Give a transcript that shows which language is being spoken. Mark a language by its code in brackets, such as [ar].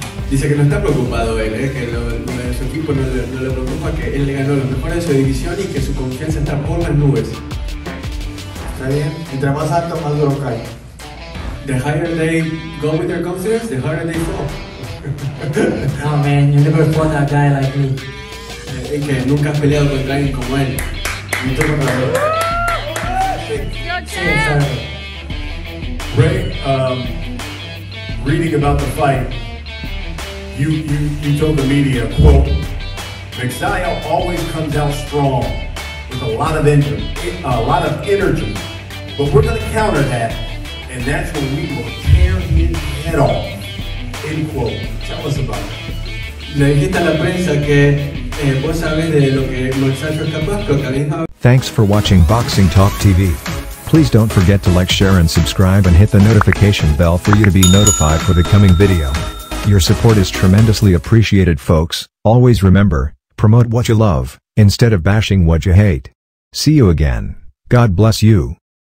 [es] Dice que no está preocupado él, que lo de su equipo no le preocupa, que él le ganó lo mejor de su división y que su confianza está por las nubes. Está bien, entre más alto, más duro cae. [en] The higher they go with their confidence, the harder they fall. No, man, you never fought a guy like me. [es] Es que nunca has peleado contra alguien como él. Mucho más grande. [en] Rey, reading about the fight, you told the media, quote, Magsayo always comes out strong with a lot of energy, but we're going to counter that, and that's when we will tear his head off, end quote. Tell us about it. [es] Le dijiste a la prensa que vos sabés de lo que Magsayo está pasando, que alguien sabe. [en] Thanks for watching Boxing Talk TV. Please don't forget to like, share and subscribe and hit the notification bell for you to be notified for the coming video. Your support is tremendously appreciated, folks. Always remember, promote what you love, instead of bashing what you hate. See you again. God bless you.